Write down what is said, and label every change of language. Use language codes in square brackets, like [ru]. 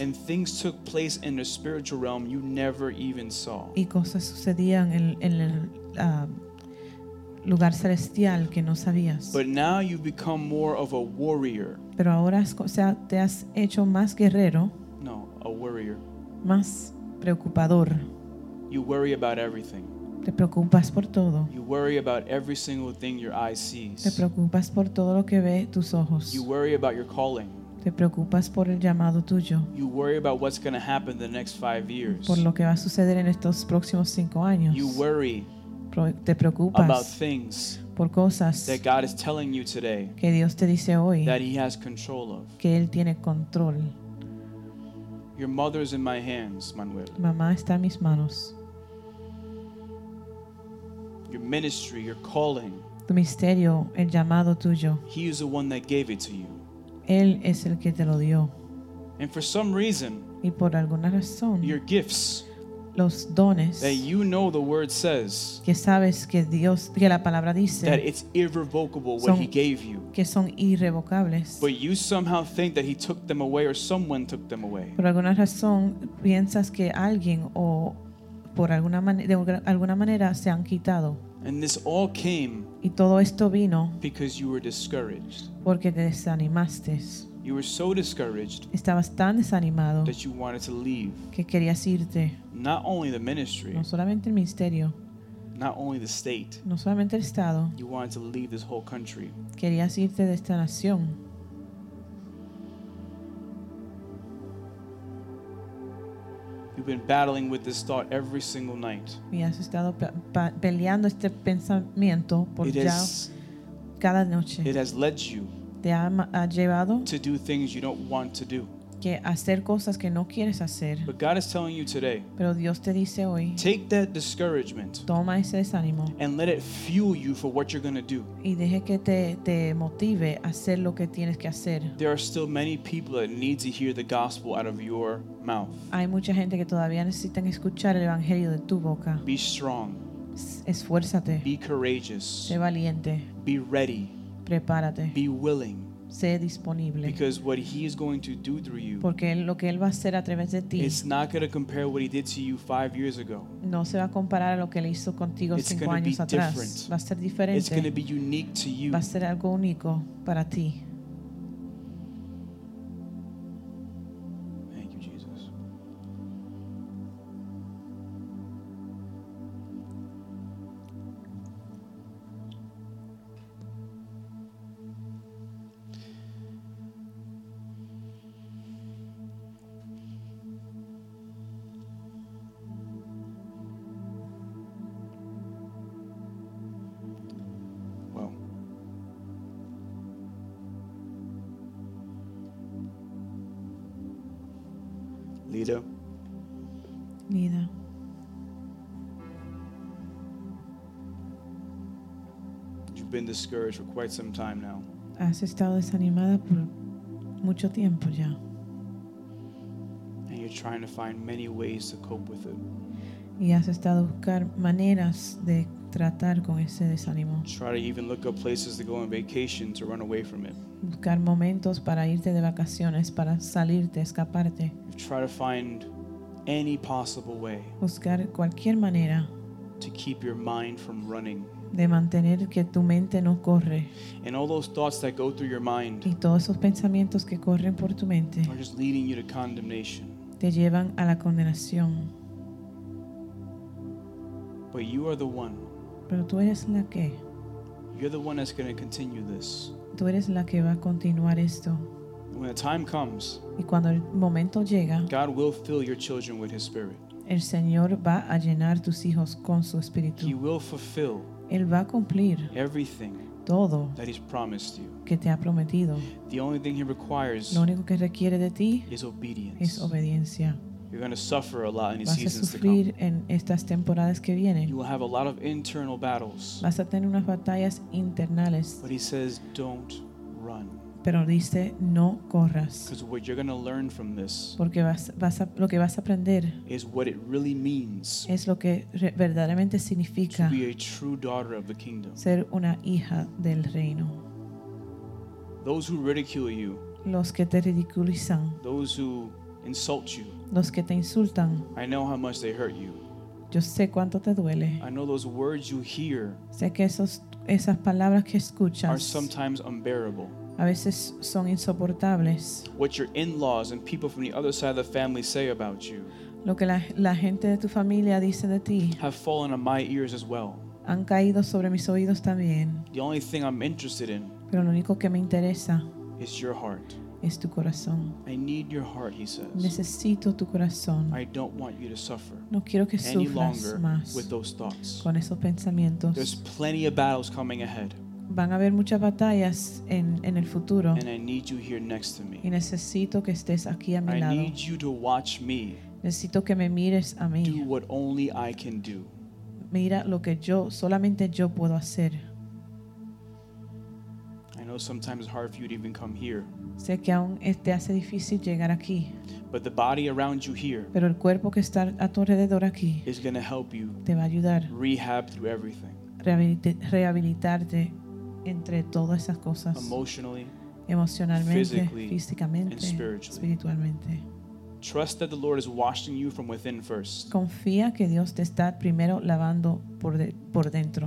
[en] and things took place in the spiritual realm you never even saw. [es] Y cosas sucedían en el lugar celestial que no sabías. [en] But now you become more of a warrior. [es] Pero ahora te has hecho más guerrero. [en] No, a worrier. [es] Más preocupador. [en] You worry about everything. [es] Te preocupas por todo. [en] You worry about every single thing your eye sees. [es] Te preocupas por todo lo que ve tus ojos. [en] You worry about your calling. [es] Te preocupas por el llamado tuyo. [en] You worry about what's going to happen the next 5 years. [es] Por lo que va a suceder en estos próximos 5 años. [en] You worry. [es] Te preocupas [en] about things. [es] Por cosas [en] that God is telling you today. [es] Que Dios te dice hoy. [en] That he has control of. [es] Que él tiene control. [en] Your mother is in my hands, Manuel. [es] Mamá está en mis manos. [en] Your ministry, your calling. [es] Tu ministerio, el llamado tuyo. [en] He is the one that gave it to you. [es] Él es el que te lo dio. [en] And for some reason, [es] y por alguna razón, [en] your gifts, [es] los dones, [en] that you know the word says, [es] que sabes que Dios, que la palabra dice, [en] that it's irrevocable what he gave you, [es] que son irrevocables. [en] But you somehow think that he took them away or someone took them away. [es] Por alguna razón, piensas que alguien o por alguna de alguna manera se han quitado. [en] And this all came, [es] y todo esto vino, [en] because you were discouraged. [es] Porque te desanimaste. [en] You were so discouraged, [es] estabas tan desanimado, [en] that you wanted to leave, [es] que querías irte. [en] Not only the ministry, [es] no solamente el ministerio, [en] not only the state, [es] no solamente el estado, [en] you wanted to leave this whole country, [es] querías irte de esta nación. [en] You've been battling with this thought every single night. [es] Y has estado peleando este pensamiento por ya cada noche. [en] It has led you, [es] te ha llevado, [en] to do things you don't want to do, [es] que hacer cosas que no quieres hacer. [en] But God is telling you today, [es] pero Dios te dice hoy, [en] take that discouragement, [es] toma ese desánimo, [en] and let it fuel you for what you're going to do. [es] Y deje que te motive a hacer lo que tienes que hacer. [en] There are still many people that need to hear the gospel out of your mouth. [es] Hay mucha gente que todavía necesitan escuchar el evangelio de tu boca. [en] Be strong. [es] Esfuérzate. [en] Be courageous. [es] Sé valiente. [en] Be ready. [es] Prepárate. [en] Be willing. [es] Sé disponible. [en] Because what he is going to do through you, [es] porque lo que él va a hacer a través de ti, [en] it's not going to compare what he did to you 5 years ago. [es] No se va a comparar a lo que él hizo contigo [en] it's [es] cinco años [en] be [es] atrás. [en] Different. [es] Va a ser diferente. [en] It's going to be unique to you. [es] Va a ser algo único para ti. [en] Thank you, Jesus. [es] Lida. [en] You've been discouraged for quite some time now. [es] Has estado desanimada por mucho tiempo ya. [en] And you're trying to find many ways to cope with it. [es] Y has estado buscar maneras de tratar con ese desánimo. [en] Try to even look up places to go on vacation to run away from it. [es] Buscar momentos para irte de vacaciones, para salirte, escaparte. [en] Try to find any possible way, [es] buscar cualquier manera, [en] to keep your mind from running, [es] de mantener que tu mente no corre. [en] And all those thoughts that go through your mind, [es] y todos esos pensamientos que corren por tu mente, [en] are just leading you to condemnation, [es] te llevan a la condenación. [en] But you are the one, [es] pero tú eres la que, [en] you're the one that's going to continue this, [es] tú eres la que va a continuar esto. [en] When the time comes, [es] y cuando el momento llega, [en] God will fill your children with his spirit. [es] El Señor va a llenar tus hijos con su espíritu. [en] He will fulfill, [es] él va a cumplir [en] everything, [es] todo [en] that he's promised you, [es] que te ha prometido. [en] The only thing he requires, [es] lo único que requiere de ti, [en] is obedience. [es] Es obediencia. [en] You're going to suffer a lot in these seasons to come. [es] Vas a sufrir en estas temporadas que vienen. [en] You will have a lot of internal battles. [es] Vas a tener unas batallas internales. [en] But he says, don't run. [es] Pero dice, no corras. [en] Because what you're going to learn from this, [es] porque vas a lo que vas a aprender, [en] is what it really means, [es] es lo que verdaderamente significa, [en] to be a true daughter of the kingdom, [es] ser una hija del reino. [en] Those who ridicule you, [es] los que te ridiculizan, [en] those who insult you, [es] los que te insultan, [en] I know how much they hurt you, [es] yo sé cuánto te duele, [en] I know those words you hear, [es] sé que esas palabras que escuchas, [en] are sometimes unbearable. [es] A veces son insoportables. [en] What your in-laws and people from the other side of the family say about you, [es] lo que la gente de tu familia dice de ti, [en] have fallen on my ears as well. [es] Han caído sobre mis oídos también. [en] The only thing I'm interested in, [es] pero lo único que me interesa, [en] is your heart. [es] Es tu corazón. [en] I need your heart, he says. [es] Necesito tu corazón. [en] I don't want you to suffer, [es] no quiero que [en] any [es] sufras [en] longer [es] más [en] with those thoughts. [es] Con esos pensamientos. [en] There's plenty of battles coming ahead. [es] van a haber muchas batallas en el futuro. [en] And I need you here next to me. [es] Y necesito que estés aquí a mi lado. [en] I need you to watch me. [es] Necesito que me mires a mí. [en] Do what only I can do. [es] Mira lo que yo, solamente yo puedo hacer. [en] I know sometimes it's hard for you to even come here. [es] Sé que aún te hace difícil llegar aquí. [en] But the body around you here, [es] pero el cuerpo que está a tu alrededor aquí, [en] is going to help you, [es] te va a ayudar, [en] rehab through everything, [es] rehabilitarte entre todas esas cosas, [en] emotionally, [es] emocionalmente, físicamente, [en] and spiritually. [es] Espiritualmente. [en] Trust that the Lord is washing you from within first. [es] Confía que Dios te está primero lavando por dentro.